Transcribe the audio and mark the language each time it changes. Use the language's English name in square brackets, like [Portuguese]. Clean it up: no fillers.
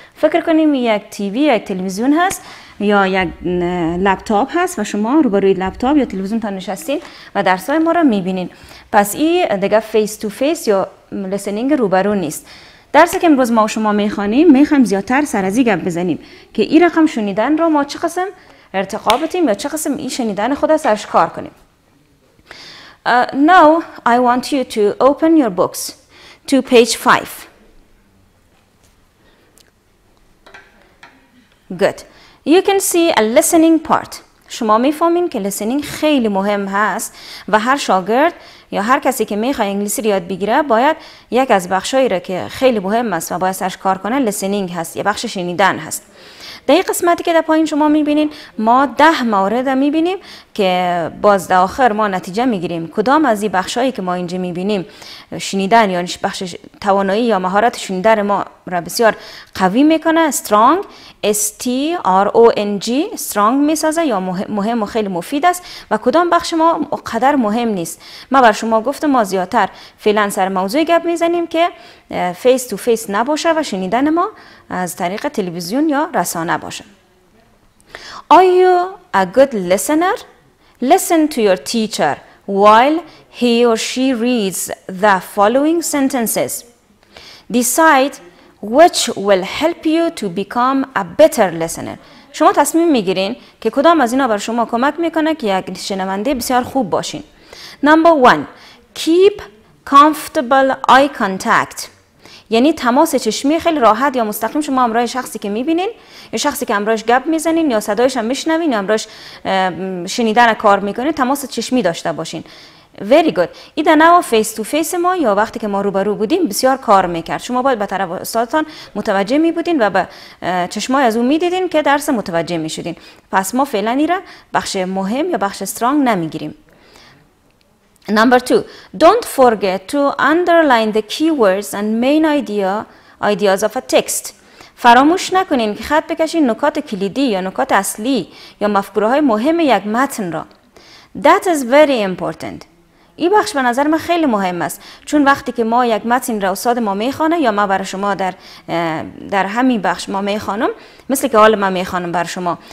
[Persian] فکر کنیم یک تیوی یا یک تلویزیون هست یا یک لپتاپ هست و شما روبروی لپتاپ یا تلویزیون تا نشستین و درس های ما را میبینین. پس این دیگه فیس تو فیس یا لسنینگ روبرو نیست. درسی که امروز ما و شما میخوانیم میخوایم زیادتر سر از این گپ بزنیم که این رقم شنیدن را ما چه قسم ارتقا بدیم یا چه قسم این شنیدن خود سرش کار کنیم. [English] Now I want you to open your books to page 5. Good. You can see a listening part. [Persian] شما میفهمین که listening خیلی مهم هست و هر شاگرد یا هر کسی که میخواه انگلیسی یاد بگیره باید یک از بخشایی را که خیلی مهم است و باید سرش کار کنه listening هست یا بخش شنیدن هست. در این قسمتی که در پایین شما میبینین ما 10 مورد میبینیم که باز در آخر ما نتیجه میگیریم کدام از این بخشایی که ما اینجا میبینیم شنیدن یا بخش توانایی یا مهارت شنیدن ما را بسیار قوی میکنه. strong strong strong میسازه یا مهم و خیلی مفید است و کدام بخش ما قدر مهم نیست. ما بر شما گفتم ما زیادتر فعلا سر موضوع گپ میزنیم که فیس تو فیس نباشه و شنیدن ما از طریق تلویزیون یا رسانه باشه. [English] Are you a good listener? Listen to your teacher while he or she reads the following sentences. Decide which will help you to become a better listener. [Persian] شما تصمیم میگیرین که کدام از اینا بر شما کمک میکنه که یک شنونده بسیار خوب باشین. [English] Number one, keep comfortable eye contact. [Persian] یعنی تماس چشمی خیلی راحت یا مستقیم شما همراه شخصی که میبینین یا شخصی که همراهش گپ میزنین یا صدایش هم میشنوین یا همراهش شنیدن کار میکنین تماس چشمی داشته باشین. [English] Very good. [Persian] این در نوع فیس تو فیس ما یا وقتی که ما روبرو بودیم بسیار کار میکرد. شما باید به طرف استادتان متوجه میبودین و به چشمای از اون میدیدین که درس متوجه میشدین. پس ما فعلا این را بخش مهم یا بخش استرانگ نمیگیریم. [English] Number two, don't forget to underline the keywords and main ideas of a text. [Persian] فراموش نکنین که خط بکشین نکات کلیدی یا نکات اصلی یا مفکورهای مهم یک متن را. [English] That is very important. [Persian] این بخش به نظر من خیلی مهم است. چون وقتی که ما یک متن را استاد ما میخوانه یا ما برای شما در همین بخش ما میخوانم مثل که حال ما میخوانم برای شما.